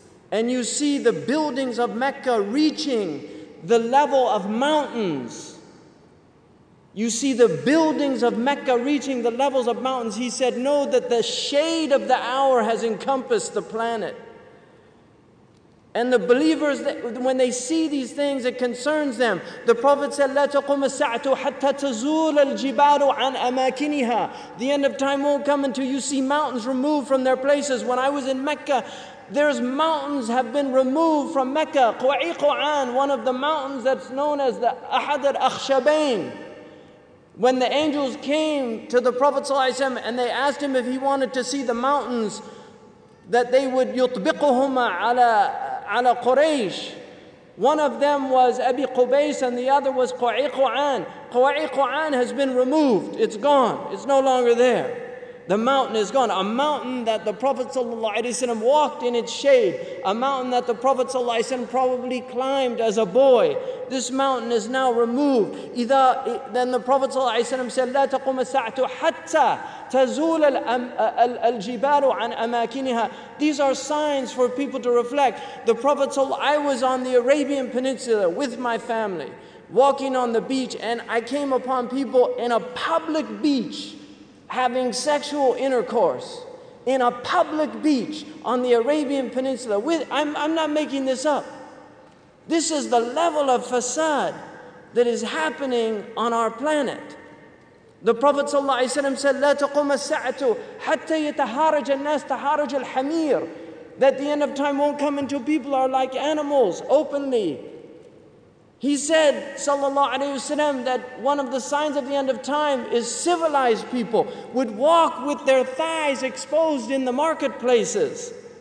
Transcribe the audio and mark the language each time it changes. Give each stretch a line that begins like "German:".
English: And you see the buildings of Mecca reaching the level of mountains. You see the buildings of Mecca reaching the levels of mountains. He said, know that the shade of the hour has encompassed the planet. And the believers, when they see these things, it concerns them. The Prophet said,
Arabic: لا تقوم الساعة حتى تزول الجبال عن أماكنها.
English: The end of time won't come until you see mountains removed from their places. When I was in Mecca, there's mountains have been removed from Mecca. Qu'iqu'an, one of the mountains that's known as the Ahad al-Akhshabain. When the angels came to the Prophet ﷺ and they asked him if he wanted to see the mountains, that they would
Arabic: yutbiquhuma ala Quraysh.
English: One of them was Abi Qubays and the other was Qu'iqu'an. Qu'iqu'an has been removed. It's gone. It's no longer there. The mountain is gone. A mountain that the Prophet ﷺ walked in its shade. A mountain that the Prophet ﷺ probably climbed as a boy. This mountain is now removed. Then the Prophet ﷺ said,
Arabic: لا تقوم الساعة حتى تزول الجبال عن أماكنها.
English: These are signs for people to reflect. The Prophet ﷺ, I was on the Arabian Peninsula with my family, walking on the beach, and I came upon people in a public beach having sexual intercourse in a public beach on the Arabian Peninsula. I'm not making this up. This is the level of facade that is happening on our planet. The Prophet ﷺ said,
Arabic: لا تقوم الساعة حتى يتحارج الناس تحارج الحمير.
English: That the end of time won't come until people are like animals openly. He said, sallallahu alayhi wasallam, that one of the signs of the end of time is civilized people would walk with their thighs exposed in the marketplaces.